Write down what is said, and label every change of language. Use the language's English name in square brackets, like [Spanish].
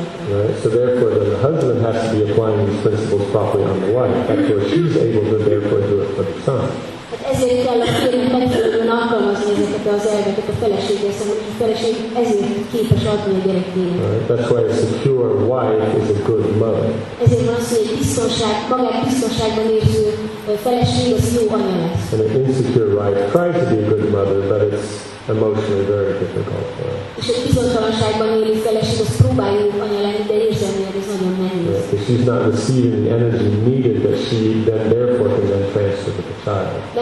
[English] Right? So therefore, then the husband has to be applying these principles properly on the wife. That's where she's able to therefore do it for the son. [Hungarian] Ezért kell a férjnek megfelelően alkalmazni ezeket az elveket a felesége számára, hogy a feleség ezért képes adni a gyereknek. [English] Right. That's why a secure wife is a good mother. [Hungarian] Ezért van az, hogy biztonság, magát biztonságban érző feleség az jó anya lesz. [English] And an insecure wife tries to be a good mother, but it's emotionally very difficult for her. [Hungarian] És egy bizonytalanságban élő feleség az próbálja jó anya lenni, de érzelmileg ez nagyon nehéz. [English] She's not receiving the energy needed that she then therefore can then transfer to the child.